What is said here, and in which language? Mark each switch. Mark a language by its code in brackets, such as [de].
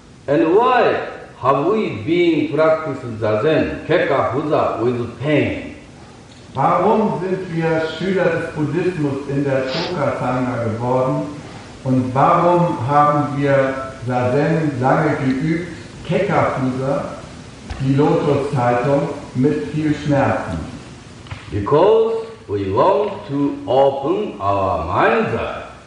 [en] And why have we been practicing Zazen 結果不座 with pain? [de] Warum sind wir Schüler des Buddhismus in der Choka-Zendo geworden? Und warum haben wir Zazen lange geübt, Kekafusa, die Lotus-Haltung, mit viel Schmerzen? [en] Because we want to open our mind's eye.